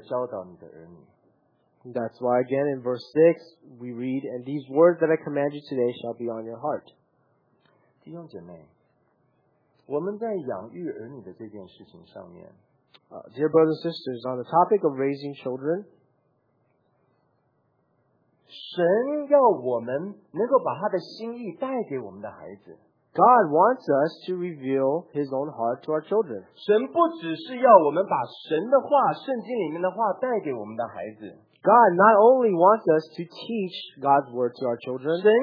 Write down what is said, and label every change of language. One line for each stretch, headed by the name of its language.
English: That's why again in verse 6, we read, and these words that I command you today shall be on your heart.
Chinese: 弟兄姐妹，我们在养育儿女的这件事情上面，
English: Dear brothers and sisters, on the topic of raising children,
Chinese: 神要我们能够把他的心意带给我们的孩子。
English: God wants us to reveal His own heart to our children.
Chinese: 神不只是要我们把神的话，圣经里面的话带给我们的孩子。
English: God not only wants us to teach God's word to our children.